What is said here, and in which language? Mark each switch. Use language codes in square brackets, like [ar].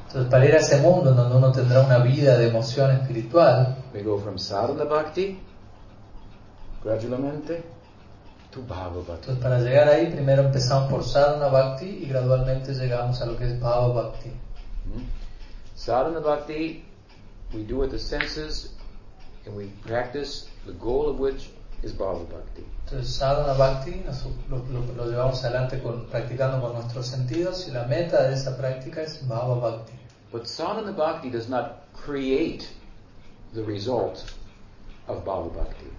[es] Entonces, para ir a ese mundo donde uno tendrá una vida de emoción espiritual, [en] we go from sadhana bhakti [es] gradualmente [en] to bhava bhakti. [es] Entonces, para llegar ahí primero empezamos por sadhana bhakti y gradualmente llegamos a lo que es bhava bhakti. [en] Sadhana bhakti we do with the senses and we practice the goal of which is bhava bhakti. [es] Entonces, sadhana bhakti lo llevamos adelante practicando con nuestros sentidos y la meta de esa práctica es bhava bhakti. [en] But sadhana bhakti does not create the result of bhava bhakti.